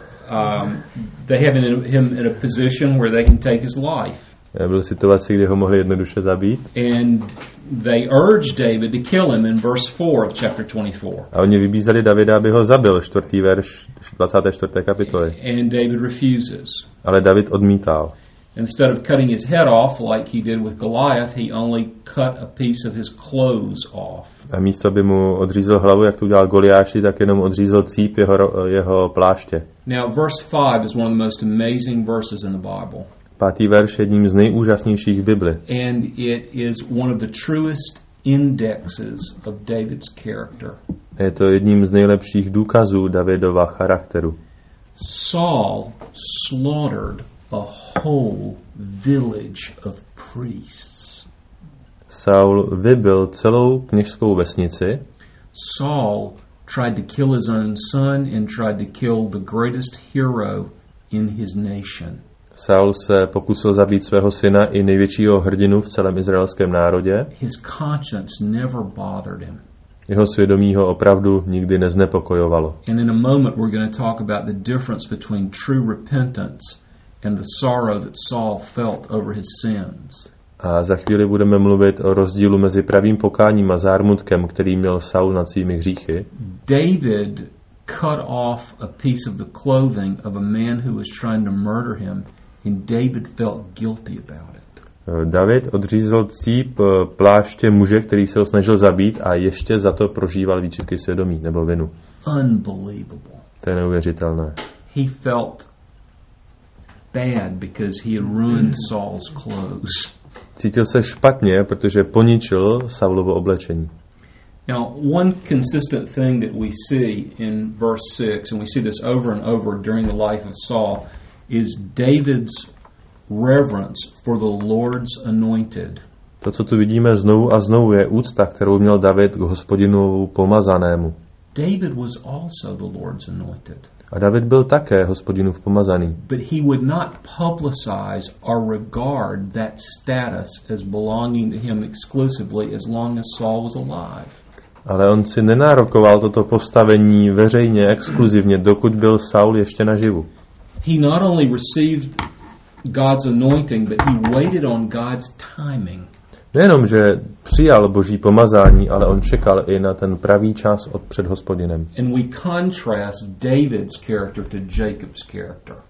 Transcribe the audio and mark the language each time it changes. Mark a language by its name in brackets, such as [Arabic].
[English] They have him in a position where they can take his life. [Czech] Byl v situaci, kdy ho mohli jednoduše zabít. [English] And they urged David to kill him in verse 4 of chapter 24. [Czech] A oni vybízeli Davida, aby ho zabil, 4. verš 24. kapitoly. [English] And David refuses. [Czech] Ale David odmítal. [English] Instead of cutting his head off like he did with Goliath, he only cut a piece of his clothes off. [Czech] A místo, aby mu odřízl hlavu, jak to udělal Goliáši, tak jenom odřízl cíp jeho pláště. [English] Now verse 5 is one of the most amazing verses in the Bible. [Czech] Pátý verš je jedním z nejúžasnějších v Bibli. [English] And it is one of the truest indexes of David's character. [Czech] Je to jedním z nejlepších důkazů Davidova charakteru. [English] Saul slaughtered a whole village of priests. [Czech] Saul vybil celou kněžskou vesnici. [English] Saul tried to kill his own son and tried to kill the greatest hero in his nation. [Czech] Saul se pokusil zabít svého syna i největšího hrdinu v celém izraelském národě. [English] His conscience never bothered him. [Czech] Jeho svědomí ho opravdu nikdy neznepokojovalo. [English] And in a moment we're going to talk about the difference between true repentance and the sorrow that Saul felt over his sins. [Czech] A za chvíli budeme mluvit o rozdílu mezi pravým pokáním a zármutkem, který měl Saul nad svými hříchy. [English] David cut off a piece of the clothing of a man who was trying to murder him, and David felt guilty about it. [Czech] David odřízl cíp pláště muže, který se ho snažil zabít, a ještě za to prožíval výčitky svědomí nebo vinu. [English] Unbelievable. [Czech] To je neuvěřitelné. [English] He felt bad because he had ruined Saul's clothes. [Czech] Cítil se špatně, protože poničil Saulovo oblečení. [English] Now, one consistent thing that we see in verse 6, and we see this over and over during the life of Saul, is David's reverence for the Lord's anointed. [Czech] To, co tu vidíme znovu a znovu, je úcta, kterou měl David k Hospodinovu pomazanému. [English] David was also the Lord's anointed. [Czech] A David byl také Hospodinův pomazaný. [English] But he would not publicize or regard that status as belonging to him exclusively as long as Saul was alive. [Czech] Ale on si nenárokoval toto postavení veřejně exkluzivně, dokud byl Saul ještě naživu. [English] He not only received God's anointing, but he waited on God's timing. [Czech] Nejenom, že přijal Boží pomazání, ale on čekal i na ten pravý čas od před Hospodinem. [English] And we contrast David's character to Jacob's character.